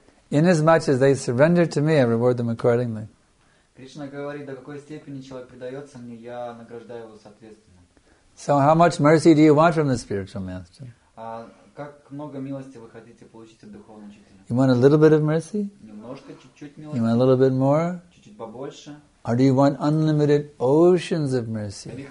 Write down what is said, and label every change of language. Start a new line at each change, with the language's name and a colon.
English: Inasmuch as they surrender to me, I reward them accordingly.
Russian: Krishna говорит, до какой степени человек предается мне, я награждаю его соответственно.
English: So, how much mercy do you want from the spiritual master?
Russian: Как много милости вы хотите получить от духовного учителя?
English: You want a little bit of mercy?
Russian: Немножко, чуть-чуть милости.
English: You want a little bit more?
Russian: Чуть-чуть побольше.
English: Or do you want unlimited oceans of mercy?